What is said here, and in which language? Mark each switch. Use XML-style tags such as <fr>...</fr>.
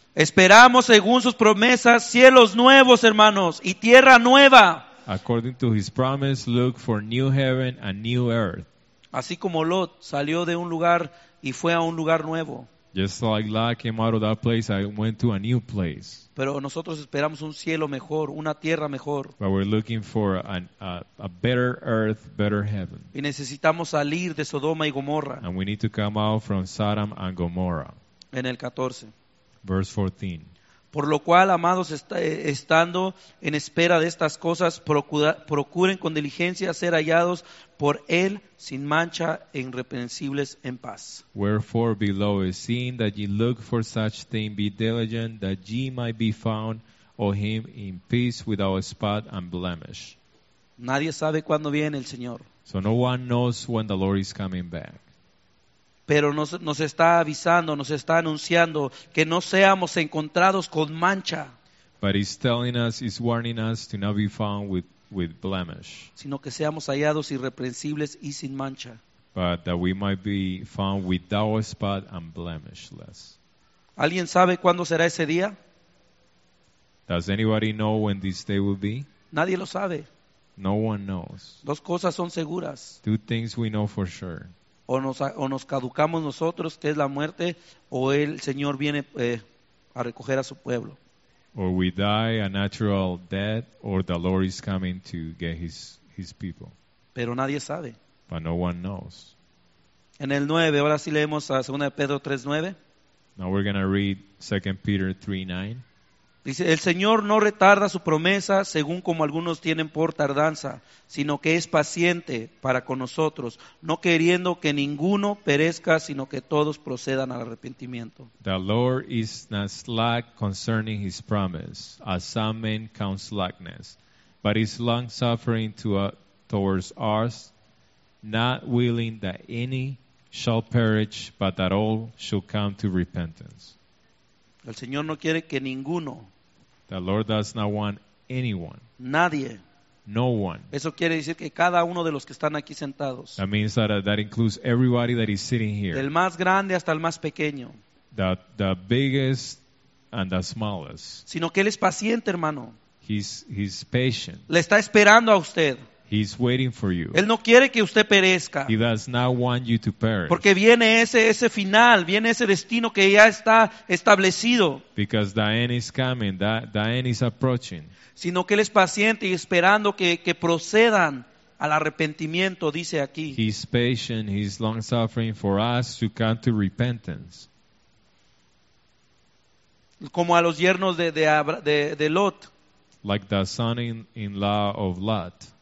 <es>Esperamos según sus promesas cielos nuevos, hermanos, y tierra nueva.</es> <en>According to his promise, look for new heaven and new earth.</en> <es>Así como Lot salió de un lugar y fue a un lugar nuevo.</es> <en>Just like Lot came out of that place, I went to a new place.</en> <es>Pero nosotros esperamos un cielo mejor, una tierra mejor.</es> <en>But we're looking for a better earth, better heaven.</en> <es>Y necesitamos salir de Sodoma y Gomorra.</es> <en>And we need to come out from Sodom and Gomorrah.</en> <es>En el 14.</es> <en>Verse 14.</en> <es>Por lo cual, amados, estando en espera de estas cosas, procuren con diligencia ser hallados por Él sin mancha e irreprensibles en paz.</es> <en>Wherefore, beloved, seeing that ye look for such thing, be diligent that ye might be found of Him in peace without spot and blemish.</en> <es>Nadie sabe cuándo viene el Señor.</es> <en>So no one knows when the Lord is coming back.</en> <es>Pero nos está avisando, nos está anunciando que no seamos encontrados con mancha.</es> <en>But he's telling us, he's warning us to not be found with blemish.</en> <es>Sino que seamos hallados irreprensibles y sin mancha.</es> <en>But that we might be found without spot and blemishless.</en> <es>¿Alguien sabe cuándo será ese día?</es> <en>Does anybody know when this day will be?</en> <es>Nadie lo sabe.</es> <en>No one knows.</en> <es>Dos cosas son seguras.</es> <en>Two things we know for sure.</en> <es>O nos caducamos nosotros, que es la muerte, o el Señor viene a recoger a su pueblo.</es> <en>Or we die a natural death, or the Lord is coming to get his people.</en> <es>Pero nadie sabe.</es> <en>But no one knows.</en> <es>En el 9, ahora sí leemos a 2 Pedro 3:9.</es> <en>Now we're going to read 2 Peter 3:9.</en> <es>Dice, el Señor no retarda su promesa según como algunos tienen por tardanza, sino que es paciente para con nosotros, no queriendo que ninguno perezca, sino que todos procedan al arrepentimiento.</es> <en>The Lord is not slack concerning his promise, as some men count slackness, but is longsuffering towards us, not willing that any shall perish, but that all shall come to repentance.</en> <es>El Señor no quiere que ninguno.</es> <en>The Lord does not want anyone.</en> <es>Nadie.</es> <en>No one.</en> <es>Eso quiere decir que cada uno de los que están aquí sentados.</es> <en>That means that includes everybody that is sitting here.</en> <es>Del más grande hasta el más pequeño.</es> <en>The biggest and the smallest.</en> <es>Sino que Él es paciente, hermano.</es> <en>He's patient.</en> <es>Le está esperando a usted.</es> <en>He's waiting for you.</en> <es>Él no quiere que usted perezca.</es> <en>He does not want you to perish.</en> <es>Porque viene ese final, viene ese destino que ya está establecido.</es> <en>Because the end is coming, the end is approaching.</en> <es>Sino que Él es paciente y esperando que procedan al arrepentimiento, dice aquí.</es> <en>He's patient, he's long suffering for us to come to repentance.</en> <es>Como a los yernos de Lot.</es> <en>Like the son-in-law of Lot.</en>